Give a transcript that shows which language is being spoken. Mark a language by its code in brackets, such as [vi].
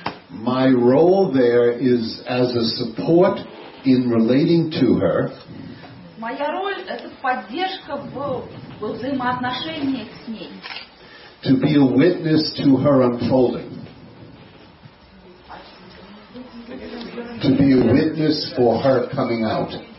[en] My role there is as a support in relating to her. [ru] Моя роль – это поддержка в взаимоотношениях с ней. [en] To be a witness to her unfolding. To be a witness for her coming out.